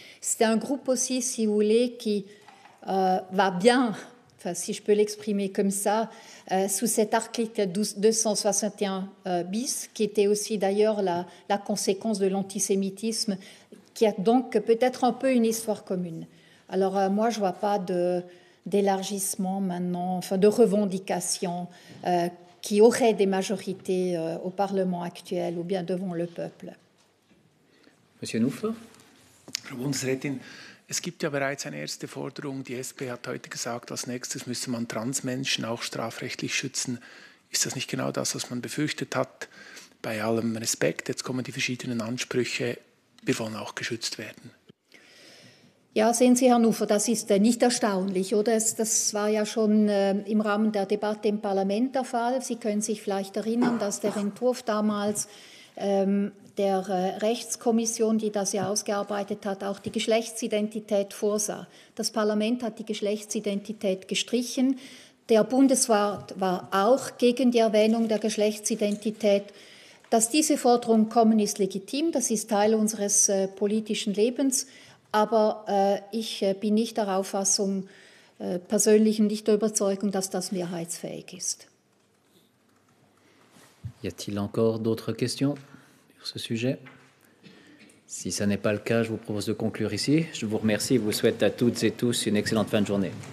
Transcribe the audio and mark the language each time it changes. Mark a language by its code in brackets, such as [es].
[fr] C'était un groupe aussi, si vous voulez, qui... va bien, enfin, si je peux l'exprimer comme ça, sous cet article 261 bis, qui était aussi d'ailleurs la conséquence de l'antisémitisme, qui a donc peut-être un peu une histoire commune. Alors moi, je ne vois pas d'élargissement maintenant, enfin de revendication qui aurait des majorités au Parlement actuel ou bien devant le peuple. Monsieur Nouffer. [de] Frau Bundesrätin. Es gibt ja bereits eine erste Forderung. Die SP hat heute gesagt, als nächstes müsse man Transmenschen auch strafrechtlich schützen. Ist das nicht genau das, was man befürchtet hat? Bei allem Respekt, jetzt kommen die verschiedenen Ansprüche. Wir wollen auch geschützt werden. Ja, sehen Sie, Herr Nufer, das ist nicht erstaunlich, oder? Das war ja schon im Rahmen der Debatte im Parlament der Fall. Sie können sich vielleicht erinnern, dass der Entwurf damals... der Rechtskommission, die das ja ausgearbeitet hat, auch die Geschlechtsidentität vorsah. Das Parlament hat die Geschlechtsidentität gestrichen. Der Bundesrat war auch gegen die Erwähnung der Geschlechtsidentität. Dass diese Forderungen kommen, ist legitim. Das ist Teil unseres politischen Lebens. Aber ich bin nicht der Auffassung, persönlich nicht der Überzeugung, dass das mehrheitsfähig ist. [fr] Y a-t-il encore d'autres questions? Sur ce sujet. Si ce n'est pas le cas, je vous propose de conclure ici. Je vous remercie et vous souhaite à toutes et tous une excellente fin de journée.